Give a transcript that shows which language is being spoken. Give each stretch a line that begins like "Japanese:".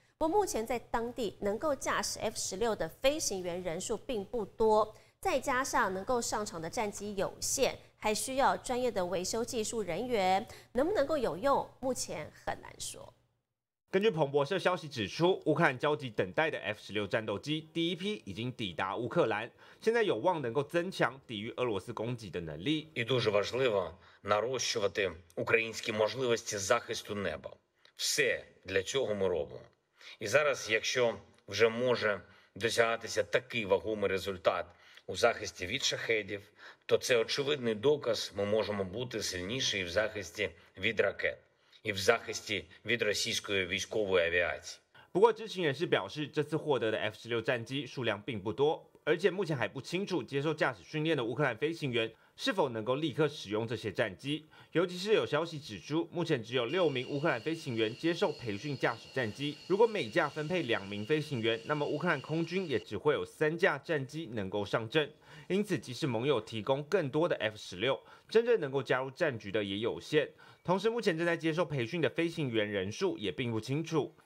Chinese: 不过目前在当地能够驾驶 F-16 的飞行员人数并不多，再加上能够上场的战机有限，还需要专业的维修技术人员，能不能够有用，目前很难说。根据彭博社消息指出，乌克兰焦急等待的 F-16 战斗机第一批已经抵达乌克兰，现在有望能够增强抵御俄罗斯攻击的能力。
Ukrainian: І дуже важливо нарощувати українські можливості захисту неба. Все для цього ми робимо. І зараз, якщо вже може досягатися такий вагомий результат у захисті від шахедів, то це очевидний доказ, ми можемо бути сильніші в захисті від ракет.
Chinese: 以及在防御俄罗斯的军事飞机。不过，知情人士表示，这次获得的 F-16 战机数量并不多，而且目前还不清楚接受驾驶训练的乌克兰飞行员是否能够立刻使用这些战机，尤其是有消息指出目前只有六名乌克兰飞行员接受培训驾驶战机，如果每架分配两名飞行员，那么乌克兰空军也只会有三架战机能够上阵，因此即使盟友提供更多的 F-16， 真正能够加入战局的也有限，同时目前正在接受培训的飞行员人数也并不清楚。